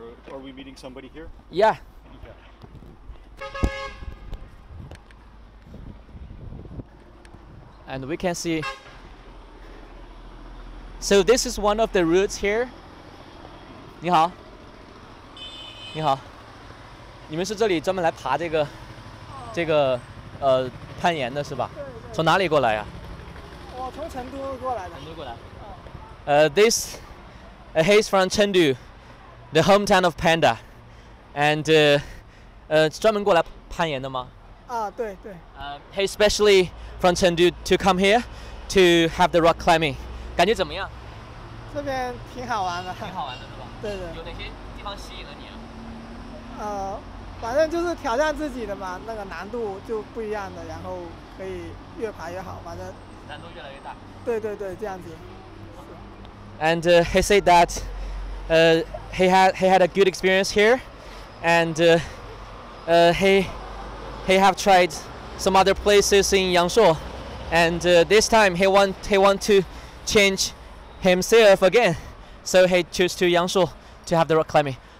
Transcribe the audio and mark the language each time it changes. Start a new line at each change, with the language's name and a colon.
English: Are we meeting somebody here? Yeah. And we can see. So this is one of the routes here.
Chinese: 你好。你好。你们是这里专门来爬这个、这个攀岩的是吧？对。从哪里过来呀、我从成都过来的。成都过来。
English: This he's from Chengdu, the hometown of Panda.
Chinese: And 专门过来攀岩的吗？啊，对对。
English: He especially from Chengdu to come here to have the rock climbing.
Chinese: 感觉怎么样？这边挺好玩的。挺好玩的是吧？对对。有哪些地方吸引了你啊？反正就是挑战自己的嘛，那个难度就不一样的，然后可以越爬越好，反正难度越来越大。对对对，这样子。
English: And he said that he had a good experience here, and he have tried some other places in Yangshuo, and this time he want to change himself again, so he chose to Yangshuo to have the rock climbing.